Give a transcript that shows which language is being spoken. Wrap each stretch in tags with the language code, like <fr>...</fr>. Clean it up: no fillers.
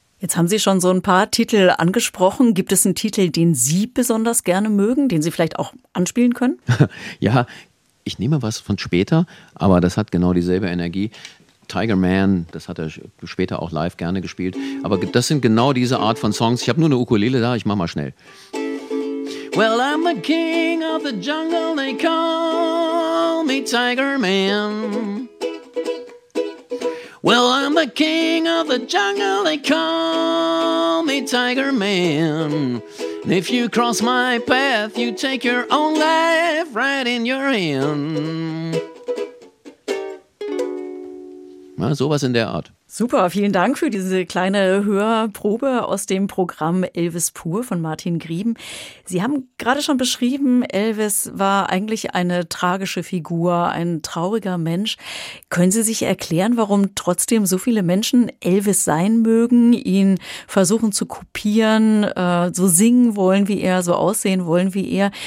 <de>Jetzt haben Sie schon so ein paar Titel angesprochen. Gibt es einen Titel, den Sie besonders gerne mögen, den Sie vielleicht auch anspielen können? Ja, ich nehme was von später, aber das hat genau dieselbe Energie. Tiger Man, das hat er später auch live gerne gespielt. Aber das sind genau diese Art von Songs. Ich habe nur eine Ukulele da, ich mach mal schnell.</de> <en>Well, I'm the king of the jungle, they call me Tiger Man. Well, I'm the king of the jungle, they call me Tiger Man. And if you cross my path, you take your own life right in your hand.</en> <de>Ja, sowas in der Art. Super, vielen Dank für diese kleine Hörprobe aus dem Programm Elvis pur von Martin Grieben. Sie haben gerade schon beschrieben, Elvis war eigentlich eine tragische Figur, ein trauriger Mensch. Können Sie sich erklären, warum trotzdem so viele Menschen Elvis sein mögen, ihn versuchen zu kopieren, so singen wollen wie er, so aussehen wollen wie er?</de>